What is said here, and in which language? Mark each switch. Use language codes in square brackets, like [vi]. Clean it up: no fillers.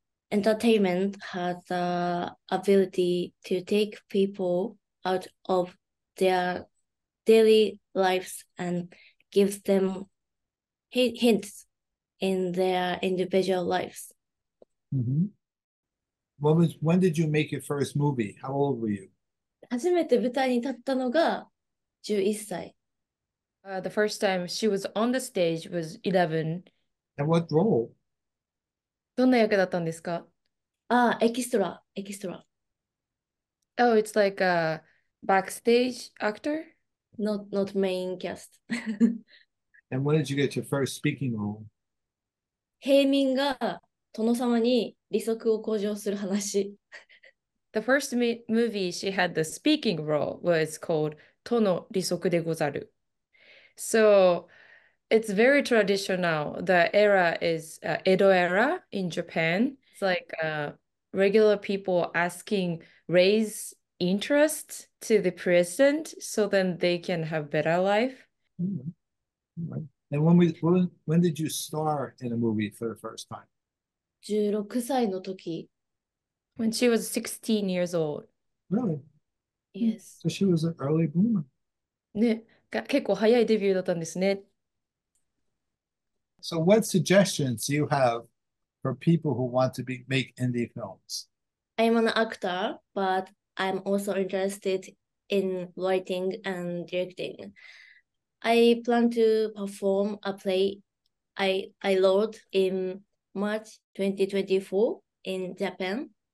[en] Entertainment has the ability to take people out of their daily lives and gives them hints in their individual lives. Mm-hmm. When did you make your first movie? How old were you? [ja] 初めて舞台に立ったのが11歳。 [en] The first time she was on the stage was 11. And what role? [ja] どんな役だったんですか？エキストラ。 [en] Oh, it's like a backstage actor? Not main cast. And when did you get your first speaking role? [ja] 平民が殿様に利息を向上する話。 [en] The first movie she had the speaking role was called Tono Risoku de Gozaru. So it's very traditional. The era is Edo era in Japan. It's like regular people asking raise interest to the president so then they can have better life. Mm-hmm. Right. And when did you star in a movie for the first time? [ja] 16 歳の時。 [en] When she was 16 years old. Really? Yes. So she was an early bloomer. [ja] ね、結構早いデビューだったんですね。 [en] So what suggestions do you have for people who want to make indie films? I'm an actor, but I'm also interested in writing and directing. I plan to perform a play I wrote in March 2024 in Japan.